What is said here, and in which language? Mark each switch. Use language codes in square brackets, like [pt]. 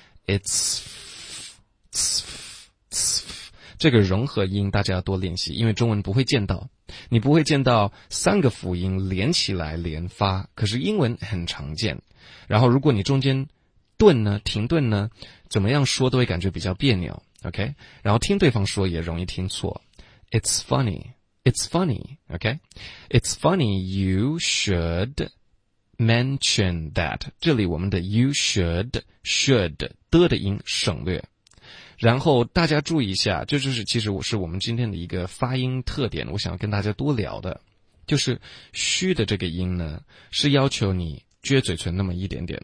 [zh] It's 这个融合音大家要多练习，因为中文不会见到，你不会见到三个辅音连起来连发，可是英文很常见。然后如果你中间顿呢，停顿呢，怎么样说都会感觉比较别扭， OK， 然后听对方说也容易听错。 [en] It's funnyIt's funny, okay? It's funny you should mention that. [zh] 这里我们的 [en] you should [zh] 的音省略。然后大家注意一下，这就是其实我是我们今天的一个发音特点，我想跟大家多聊的。就是虚的这个音呢是要求你撅嘴唇那么一点点。